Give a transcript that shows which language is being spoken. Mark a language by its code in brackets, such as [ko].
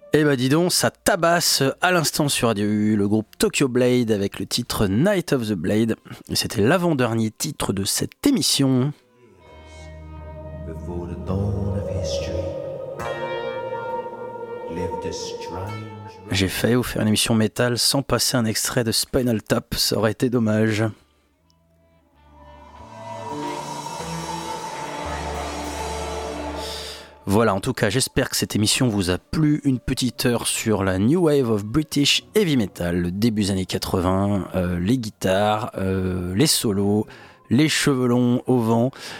[fr] bah dis donc, ça tabasse à l'instant sur Radio U, le groupe Tokyo Blade avec le titre Night of the Blade. Et c'était l'avant-dernier titre de cette émission. [en] Before the dawn of history, lived a strange... [fr] J'ai failli vous faire une émission métal sans passer un extrait de Spinal Tap, ça aurait été dommage. Voilà, en tout cas, j'espère que cette émission vous a plu. Une petite heure sur la New Wave of British Heavy Metal, le début des années 80, les guitares, les solos, les cheveux longs au vent.